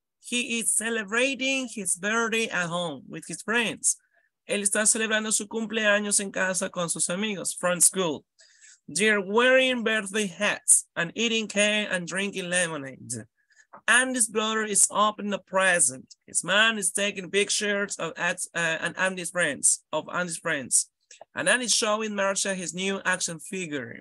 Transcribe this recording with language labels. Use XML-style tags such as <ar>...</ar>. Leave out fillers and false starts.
<en>He is celebrating his birthday at home with his friends.</en> <es>Él está celebrando su cumpleaños en casa con sus amigos</es> <en>from school. They're wearing birthday hats and eating cake and drinking lemonade. Andy's brother is opening a present. His mom is taking pictures of Andy's friends. And Andy's showing Marcia his new action figure.</en>